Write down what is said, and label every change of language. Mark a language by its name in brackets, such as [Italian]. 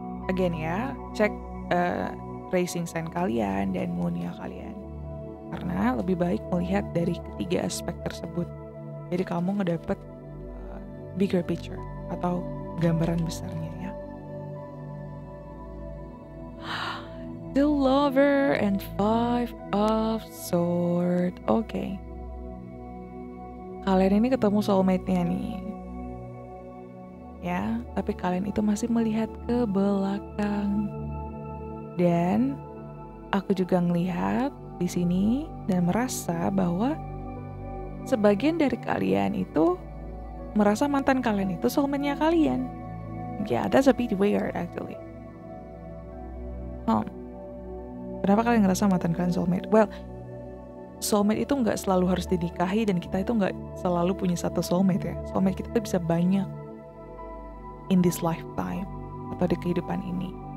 [Indonesian] Again ya, cek rising sign kalian dan moon-nya kalian. Karena lebih baik melihat dari ketiga aspek tersebut. Jadi kamu ngedapet [English] bigger picture [Indonesian] atau gambaran besarnya. [English] The Lover and Five of Swords. [Indonesian] Okay. Kalian ini ketemu soulmate-nya nih. Ya, tapi kalian itu masih melihat ke belakang. Dan aku juga ngelihat di sini dan merasa bahwa sebagian dari kalian itu merasa mantan kalian itu soulmate-nya kalian. [English] Yeah, that's a bit weird actually. [Indonesian] Kenapa kalian ngerasa mantan kalian soulmate? Well, soulmate itu nggak selalu harus dinikahi dan kita itu nggak selalu punya satu soulmate ya. Soulmate kita tuh bisa banyak [English] in this lifetime [Indonesian] atau di kehidupan ini.